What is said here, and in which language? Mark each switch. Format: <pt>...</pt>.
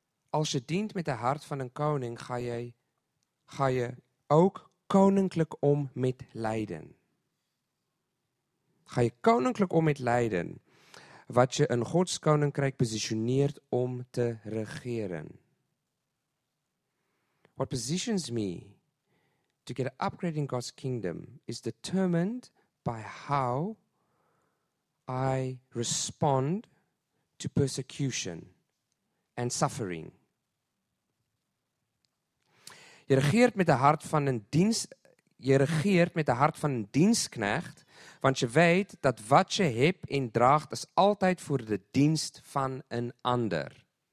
<nl>Als je dient met de hart van een koning, ga je ook koninklijk om met lijden. Ga je koninklijk om met lijden, wat je in Gods koninkrijk positioneert om te regeren.</nl> <en>What positions me to get an upgrade in God's kingdom is determined by how I respond to persecution and suffering.</en> <nl>Je regeert met de hart van een dienstknecht, want je weet dat wat je hebt en draagt is altijd voor de dienst van een ander.</nl>